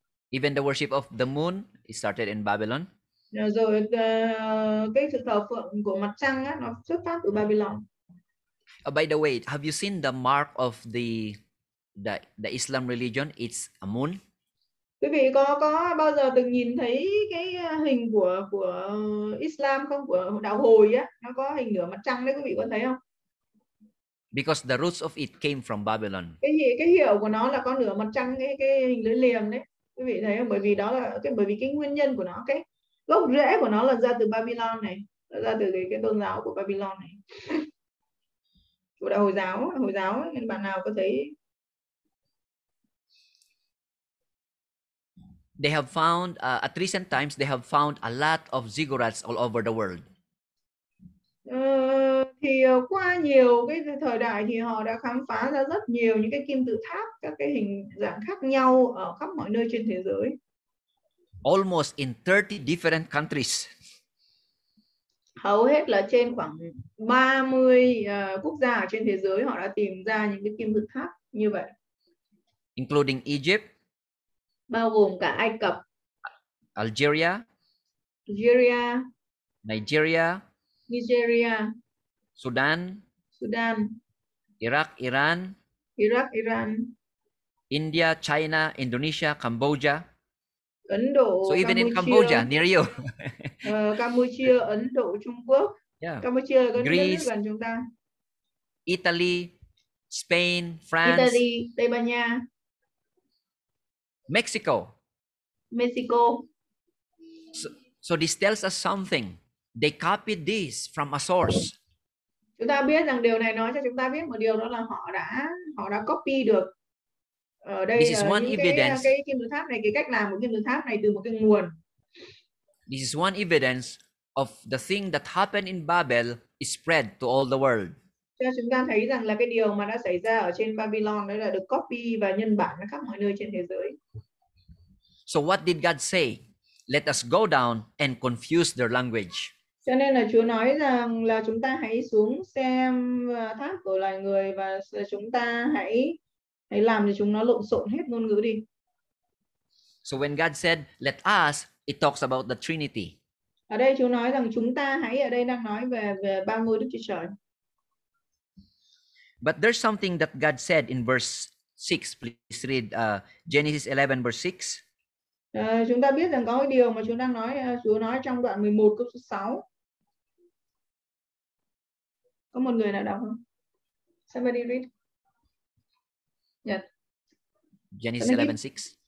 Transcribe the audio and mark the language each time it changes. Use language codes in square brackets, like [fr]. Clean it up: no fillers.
[en] Even the worship of the moon started in Babylon. [vi] Rồi cái sự thờ phượng của mặt trăng á nó xuất phát từ Babylon. [en] By the way, have you seen the mark of the Islam religion? It's a moon. [vi] Quý vị có bao giờ từng nhìn thấy cái hình của Islam không, của đạo Hồi á, nó có hình nửa mặt trăng đấy, quý vị có thấy không? [en] Because the roots of it came from Babylon. [vi] Cái hiểu của nó là có nửa mặt trăng, cái hình lưỡi liềm đấy, quý vị thấy không? Bởi vì đó là bởi vì cái nguyên nhân của nó, cái gốc rễ của nó là ra từ Babylon này, ra từ cái tôn giáo của Babylon này, của đạo Hồi giáo. Hồi giáo, bạn nào có thấy [en] they have found at recent times they have found a lot of ziggurats all over the world. [vi] Thì qua nhiều cái thời đại thì họ đã khám phá ra rất nhiều những cái kim tự tháp các cái hình dạng khác nhau ở khắp mọi nơi trên thế giới. [en] Almost in 30 different countries. [vi] Hầu hết là trên khoảng 30 quốc gia trên thế giới họ đã tìm ra những cái kim tự tháp như vậy. [en] Including Egypt. [vi] Bao gồm cả Ai Cập. [en] Algeria. [vi] Algeria. [en] Nigeria. [vi] Nigeria. [en] Sudan. [vi] Sudan. [en] Iraq, Iran. [vi] Iraq, Iran. [en] India, China, Indonesia, Cambodia. [vi] Ấn Độ, [en] so even [vi] Campuchia, [en] in Cambodia, near you. [vi] Campuchia, Ấn Độ, Trung Quốc. [en] Yeah. [vi] Campuchia, [en] Greece, [vi] gần chúng ta. [en] Italy, Spain, France. [vi] Italy, Tây Ban Nha. [en] Mexico. [vi] Mexico. [en] So this tells us something. They copied this from a source. [vi] Chúng ta biết rằng điều này nói cho chúng ta biết một điều đó là họ đã copy được. Ở đây [en] this is one evidence. [vi] Cái kim tự tháp này, cái cách làm của kim tự tháp này từ một cái nguồn. [en] This is one evidence of the thing that happened in Babel is spread to all the world. [vi] Cho chúng ta thấy rằng là cái điều mà đã xảy ra ở trên Babylon đó là được copy và nhân bản ở khắp mọi nơi trên thế giới. [en] So what did God say? Let us go down and confuse their language. [vi] Cho nên là Chúa nói rằng là chúng ta hãy xuống xem tháp của loài người và chúng ta hãy làm cho chúng nó lộn xộn hết ngôn ngữ đi. [en] So when God said, let us, it talks about the Trinity. [vi] Ở đây Chúa nói rằng chúng ta hãy, ở đây đang nói về ba ngôi Đức Chúa Trời. [en] But there's something that God said in verse 6. Please read Genesis 11 verse 6. [vi] Chúng ta biết rằng có cái điều mà Chúa đang nói, Chúa nói trong đoạn 11 câu số 6. Có một người nào đọc không? [en] Somebody read. Yeah. Genesis 11:6.